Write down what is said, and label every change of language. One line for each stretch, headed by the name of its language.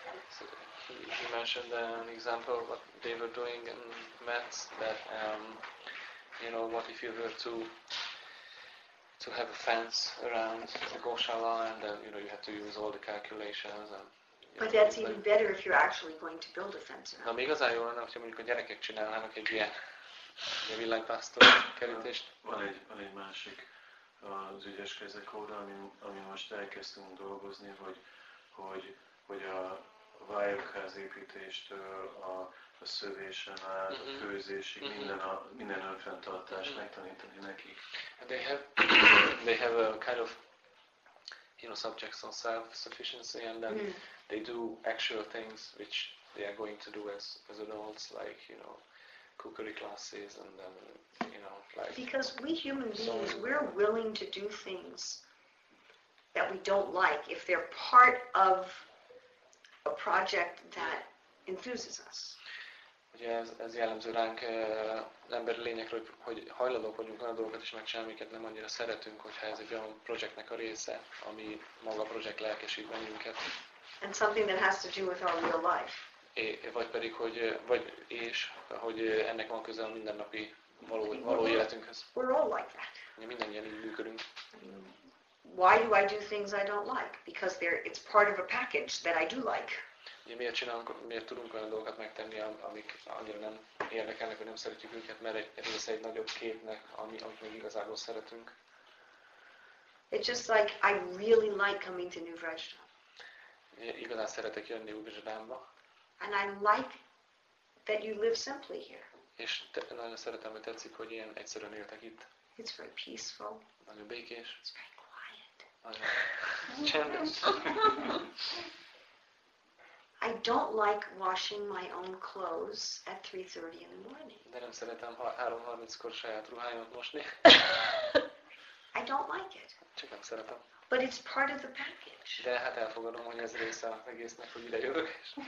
English: So, you mentioned an example of what they were doing in maths, that, you know, what if you were to have a fence around the goshala, and then, you know, you had to use all the calculations. And, but that's know, even better if you're actually going to build a fence around.
Hungarian: Na, mi igazán jól lenne, hogyha mondjuk a gyerekek csinálnának egy ilyen, ilyen villanypásztor kerítést. Van egy másik az ügyes kezek óra, ami most elkezdtünk dolgozni, hogy a vályokház építéstől a szövésen át, a főzésig, minden önfenntartást megtanítani neki.
English: They have a kind of, you know, subjects on self-sufficiency, and then they do actual things which they are going to do as adults, like, you know, cookery classes, and then, you know, like... Because we human beings, we're willing to do things that we don't like if they're part of a project that enthuses us.
Hungarian: Ugye ez jellemző ránk emberi lényekről, hogy hajlandók vagyunk olyan dolgokat is megcsinálni, amiket nem annyira szeretünk, hogyha ez egy olyan projektnek a része, ami maga a projekt lelkesít bennünket.
English: And something that has to do with our real life.
Hungarian: Vagy ennek van köze a mindennapi való életünkhez.
English: We're all like that.
Hungarian: Ugye mindannyian így működünk.
English: Why do I do things I don't like? Because it's part of a package that I do like.
Hungarian: Miért tudunk olyan dolgokat megtenni, amik annyira nem érdekelnek, vagy nem szeretjük őket, mert egy része egy nagyobb képnek, amit még igazából szeretünk.
English: It's just like I really like coming to New Vrajda.
Hungarian: Igazán szeretek jönni New Vrajdába.
English: And I like that you live simply here.
Hungarian: És nagyon szeretem, hogy tetszik, hogy ilyen egyszerűen éltek itt.
English: It's very peaceful.
Hungarian: Nagyon békés.
English: It's very
Hungarian: Csendes.
English: I don't like washing my own clothes at 3:30 in the morning.
Hungarian: De nem szeretem 3:30-kor saját ruháimat mosni.
English: I don't like it.
Hungarian: Csak nem szeretem.
English: But it's part of the package.
Hungarian: De hát elfogadom, hogy ez része az egésznek, hogy ide jövök.